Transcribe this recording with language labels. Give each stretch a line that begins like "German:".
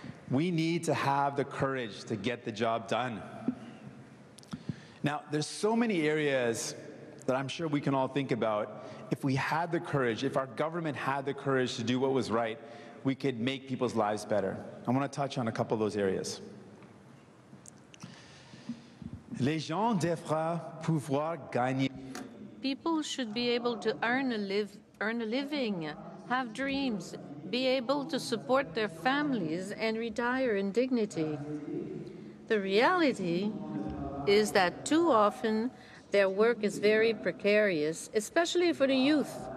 English: We need to have the courage to get the job done. Now, there's so many areas that I'm sure we can all think about. If we had the courage, if our government had the courage to do what was right, we could make people's lives better. I want to touch on a couple of those areas.
French: Les gens devraient pouvoir gagner.
English: People should be able to earn a living, have dreams, be able to support their families and retire in dignity. The reality is that too often their work is very precarious, especially for the youth.